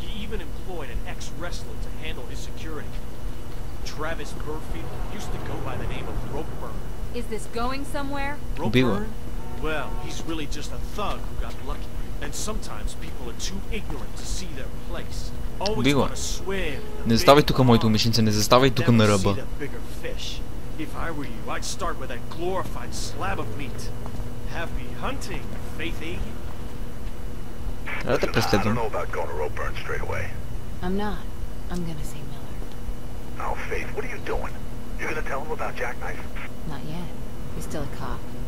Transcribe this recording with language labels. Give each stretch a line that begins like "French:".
English: Even employed an ex-wrestler to handle his security. Travis Burfield used to go by the name of Ropeburn. Is this going somewhere? Ropeburn? Well, he's really just a thug who got lucky. And sometimes people are too ignorant to see their place. Always want to swim.
Bulgarian: Не заставай тука, моите умишлинци, не заставай тука на ръба.
English: If I were you, I'd start with that glorified slab of meat. Happy hunting, Faithy.
Bulgarian: Да преследвам.
English: I don't know about going to Ropeburn straight away. I'm not. I'm gonna see Miller. Now, Faith, what are you doing? You're gonna tell him about Jackknife? Not yet. He's still a cop.